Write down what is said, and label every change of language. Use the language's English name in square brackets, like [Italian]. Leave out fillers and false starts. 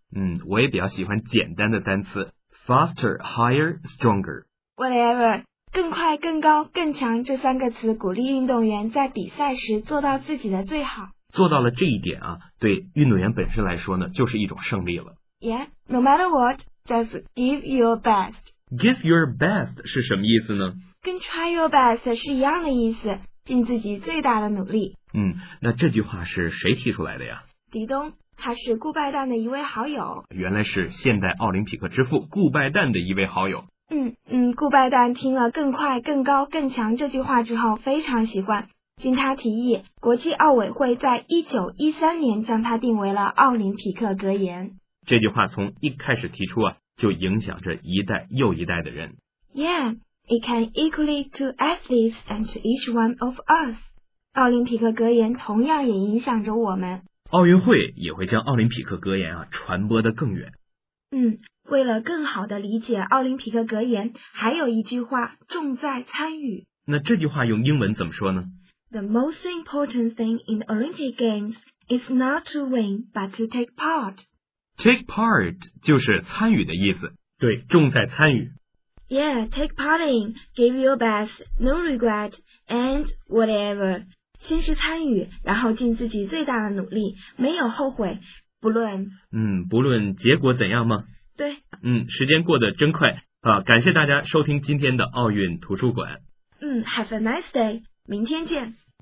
[Chinese] 嗯，我也比较喜欢简单的单词 [English] faster, higher, stronger。 Whatever。 [Chinese] 更快、更高、更强这三个词鼓励运动员在比赛时做到自己的最好。做到了这一点啊，对运动员本身来说呢，就是一种胜利了。 [English] Yeah, no matter what, just give your best. Give your best [Chinese] 是什么意思呢？跟 [English] try your best [Chinese] 是一样的意思，尽自己最大的努力。嗯，那这句话是谁提出来的呀？狄东。他是顾拜旦的一位好友。原来是现代奥林匹克之父顾拜旦的一位好友。嗯，顾拜旦听了更快、更高、更强这句话之后非常喜欢，经他提议，国际奥委会在1913年将它定为了奥林匹克格言。这句话从一开始提出啊，就影响着一代又一代的人。 [English] Yeah, it can equally to athletes and to each one of us. [Chinese] 奥林匹克格言同样也影响着我们，奥运会也会将奥林匹克格言啊传播得更远。嗯，为了更好地理解奥林匹克格言，还有一句话，重在参与。那这句话用英文怎么说呢？ [English] The most important thing in the Olympic Games is not to win, but to take part. Take part [Chinese] 就是参与的意思。对，重在参与。 [English] Yeah, take part in, give your best, no regret, and whatever. [Chinese] 先是参与，然后尽自己最大的努力，没有后悔，不论不论结果怎样吗？对，时间过得真快啊！感谢大家收听今天的奥运图书馆。 [English] Have a nice day， [Chinese] 明天见。